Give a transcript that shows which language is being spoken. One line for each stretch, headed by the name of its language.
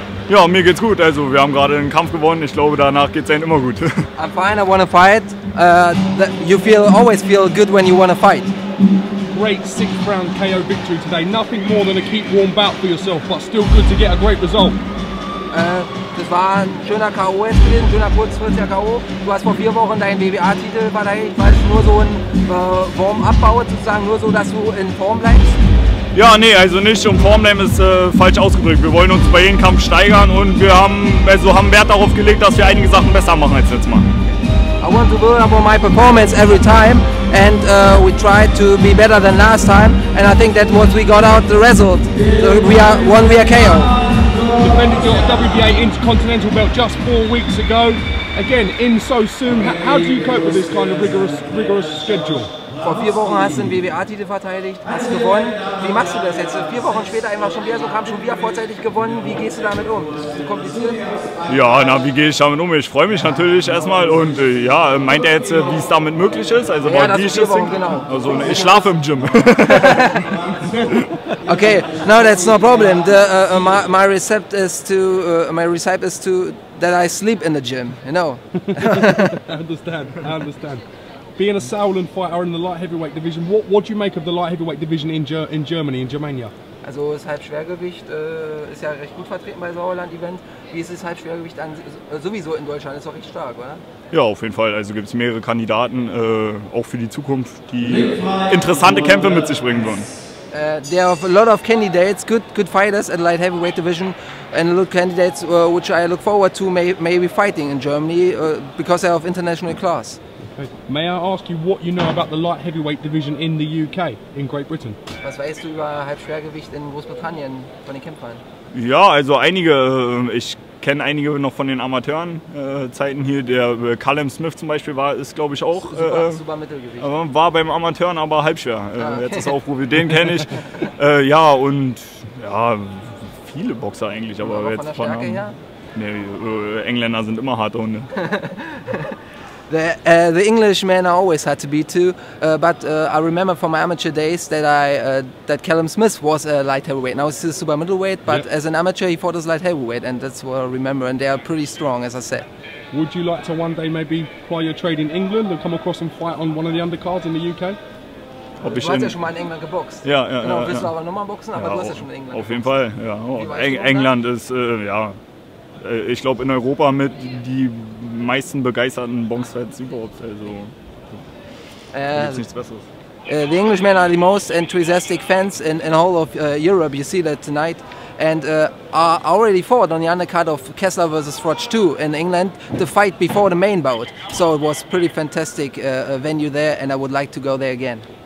German: Ja, mir geht's gut. Also wir haben gerade einen Kampf gewonnen. Ich glaube, danach geht's einem immer gut.
English: I'm fine, I wanna fight. You always feel good when you wanna fight. Great sixth round KO victory today. Nothing more than a keep warm bout for yourself, but still good to get a great result.
German: Das war ein schöner K.O. gewesen, schöner kurzfristiger K.O. Du hast vor 4 Wochen deinen WBA-Titel verteidigt. Ich weiß, nur so ein Warm-Up-Bau sozusagen, nur so, dass du in Form bleibst? Ja, nee, also nicht um Form bleiben ist falsch ausgedrückt. Wir wollen uns bei jedem Kampf steigern und wir haben Wert darauf gelegt, dass wir einige Sachen besser machen als letztes Mal.
English: I want to build up on my performance every time and we try to be better than last time and I think that what we got out the result. So we are one via KO. Defended your WBA Intercontinental belt just 4 weeks ago. Again, in so soon, how do you cope with this kind of rigorous schedule?
German: Vor 4 Wochen hast du den WBA-Titel verteidigt, hast gewonnen. Wie machst du das jetzt? 4 Wochen später einfach schon wieder so Kampf, schon wieder vorzeitig gewonnen. Wie gehst du damit um? Ist das kompliziert? Ja, na, wie gehe ich damit um? Ich freue mich natürlich erstmal. Und ja, meint er jetzt, wie es damit möglich ist? Also, ja, das ist 4 Wochen, genau. Also, ich schlafe im Gym.
English: Okay, no, that's no problem. My recipe is that I sleep in the gym, you know. I understand. Being a Saarland fighter in the light heavyweight division, what do you make of the light heavyweight division in Germany, in Germania?
German: Also das Halbschwergewicht ist ja recht gut vertreten bei Sauerland-Events. Wie ist das Halbschwergewicht dann sowieso in Deutschland? Ist doch recht stark, oder? Ja, auf jeden Fall. Also gibt es mehrere Kandidaten, auch für die Zukunft, die interessante Kämpfe mit sich bringen würden.
English: There are a lot of candidates, good fighters at light heavyweight division, and a lot of candidates which I look forward to maybe fighting in Germany because they are of international class. May I ask you what you know about the light heavyweight division in the UK, in Great Britain?
German: Was weißt du über Halbschwergewicht in Großbritannien von den Kämpfern? Ja, also ich kenne einige noch von den Amateurenzeiten hier. Der Callum Smith zum Beispiel ist glaube ich auch. Super Mittelgewicht. War beim Amateuren aber halbschwer. Jetzt ist auch Profi, den kenne ich. Viele Boxer eigentlich, aber jetzt von der Stärke her? Nee, Engländer sind immer harte Hunde.
English: The Englishmen I always had to be too, but I remember from my amateur days that that Callum Smith was a light heavyweight. Now he's a super middleweight, but yep. As an amateur he fought as light heavyweight, and that's what I remember, and they are pretty strong, as I said. Would you like to one day maybe acquire your trade in England and come across and fight on one of the undercards in the UK?
German: Du hast ja schon mal in England geboxt. Ja, genau, ja. Willst du aber nochmal boxen, aber ja, du hast ja schon in England auf jeden Fall, ja. England ist, ich glaube in Europa mit die meisten begeisterten Boxfans überhaupt, also gibt's nichts Besseres.
English: The Englishmen are the most enthusiastic fans in all of Europe, you see that tonight. And I already fought on the undercard of Kessler versus Froch 2 in England, the fight before the main bout. So it was pretty fantastic venue there and I would like to go there again.